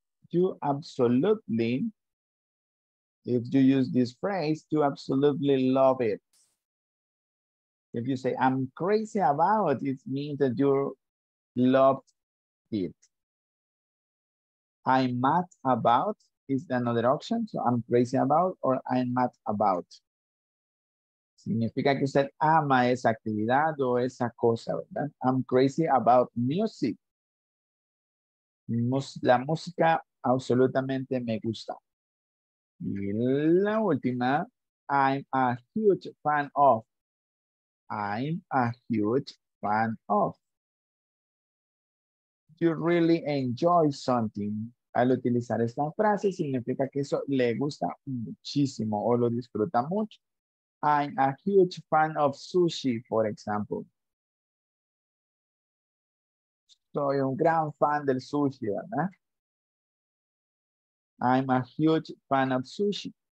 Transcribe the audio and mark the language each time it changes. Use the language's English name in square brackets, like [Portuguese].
[English] You absolutely, if you use this phrase, you absolutely love it. If you say I'm crazy about, it means that you loved it. I'm mad about is another option. So I'm crazy about or I'm mad about. [Spanish] Significa que usted ama esa actividad o esa cosa, ¿verdad? [English] I'm crazy about music. [Spanish] La música absolutamente me gusta. Y la última, [English] I'm a huge fan of. I'm a huge fan of. You really enjoy something. [Spanish] Al utilizar esta frase significa que eso le gusta muchísimo o lo disfruta mucho. [English] I'm a huge fan of sushi, for example. [Spanish] Soy un gran fan del sushi, ¿verdad? [English] I'm a huge fan of sushi.